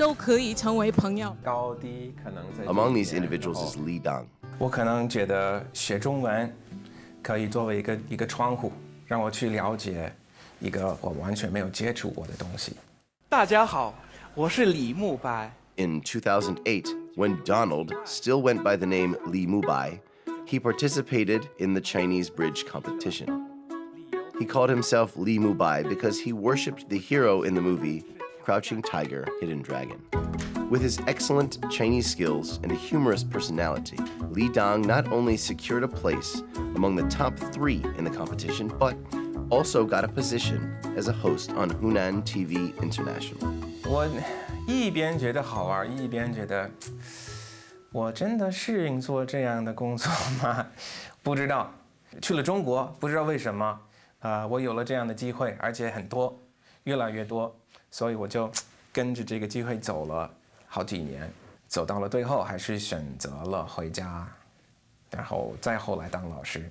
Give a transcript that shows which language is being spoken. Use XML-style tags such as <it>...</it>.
<zh>无论我们是来自哪个国家，相信什么宗教，说什么语言，我们都可以成为朋友。</zh> <en>Among these individuals is Li Dang.</en> <zh>我可能觉得学中文 可以作为一个窗户, 让我去了解一个我完全没有接触过的东西。大家好, 我是李慕白。</zh> <en>In 2008, when Donald still went by the name Li Mubai, he participated in the Chinese Bridge competition. He called himself Li Mubai because he worshipped the hero in the movie Crouching Tiger, Hidden Dragon. With his excellent Chinese skills and a humorous personality, Li Dong not only secured a place among the top three in the competition, but also got a position as a host on Hunan TV International.</en> <zh>我一边觉得好玩，一边觉得我真的适应做这样的工作吗？不知道。去了中国，不知道为什么，我有了这样的机会，而且很多，越来越多，所以我就跟着这个机会走了好几年，走到了最后还是选择了回家，然后再后来当老师。</zh>